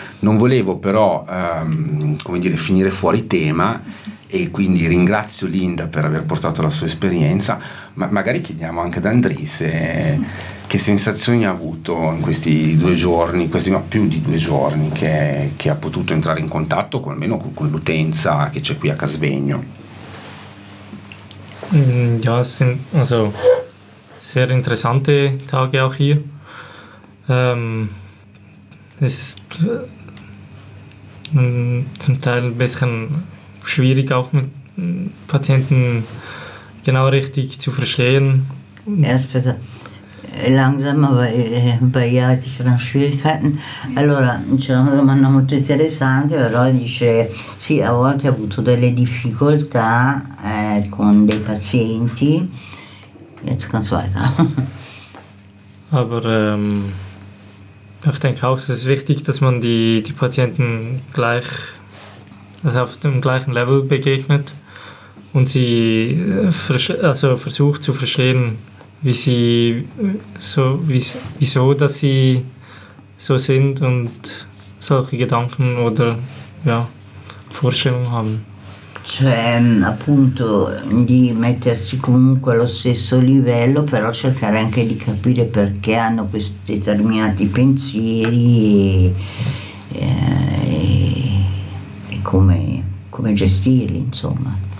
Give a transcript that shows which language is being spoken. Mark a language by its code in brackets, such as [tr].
[it] Non volevo però come dire, finire fuori tema, e quindi ringrazio Linda per aver portato la sua esperienza, ma magari chiediamo anche ad Andrise che sensazioni ha avuto in questi due giorni, questi no, più di due giorni che ha potuto entrare in contatto con, almeno con l'utenza che c'è qui a Casvegno. [de] Ja, es sind also sehr interessante Tage auch hier. Es ist zum Teil ein bisschen schwierig, auch mit Patienten genau richtig zu verstehen. Erst bitte langsam, aber bei ihr hatte ich dann Schwierigkeiten. [it] Allora, c'è una domanda molto interessante, però dice, sì, a volte ha avuto delle difficoltà con dei pazienti. [de] Jetzt kannst du weiter. Aber ich denke auch, es ist wichtig, dass man die Patienten gleich, also auf dem gleichen Level begegnet und sie also versucht zu verstehen, wie sie so, wieso dass sie so sind und solche Gedanken oder ja, Vorstellungen haben. [it] Cioè, appunto, di mettersi comunque allo stesso livello, però cercare anche di capire perché hanno questi determinati pensieri e come gestirli, insomma.